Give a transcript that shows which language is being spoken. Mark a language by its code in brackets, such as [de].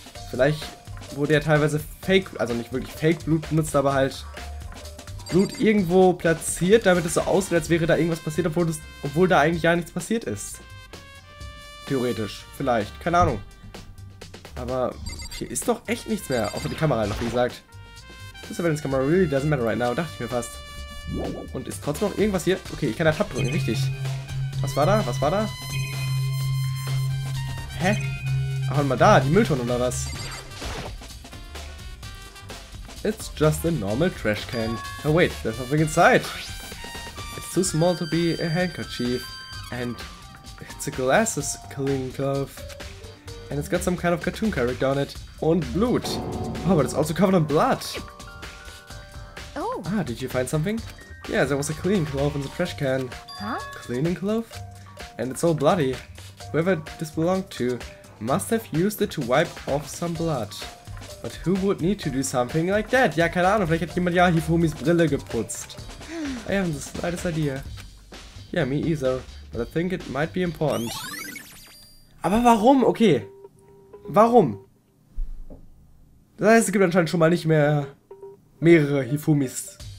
[de] Vielleicht wurde ja teilweise Fake, also nicht wirklich Fake-Blut benutzt, aber halt Blut irgendwo platziert, damit es so aussieht, als wäre da irgendwas passiert, obwohl da eigentlich ja nichts passiert ist. Theoretisch, vielleicht, keine Ahnung. Aber hier ist doch echt nichts mehr, außer die Kamera noch, wie gesagt. [en] This evidence camera really doesn't matter right now, [de] dachte ich mir fast. Und ist trotzdem noch irgendwas hier? Okay, ich kann da Tab drücken, richtig. Was war da? Hä? Ach, warte mal da, die Mülltonne oder was? [en] It's just a normal trash can. Oh wait, there's nothing inside. It's too small to be a handkerchief. And it's a glasses cleaning glove. And it's got some kind of cartoon character on it. [de] Und Blut. [en] Oh, but it's also covered in blood. Oh. Ah, did you find something? Yeah, there was a cleaning glove in the trash can. Huh? Cleaning glove? And it's all bloody. Whoever this belonged to must have used it to wipe off some blood. But who would need to do something like that? [de] Ja, keine Ahnung, vielleicht hat jemand ja Hifumis Brille geputzt. [en] I have the slightest idea. Yeah, me either. But I think it might be important. [de] Aber warum? Okay. Warum? Das heißt, es gibt anscheinend schon mal nicht mehr mehrere Hifumis.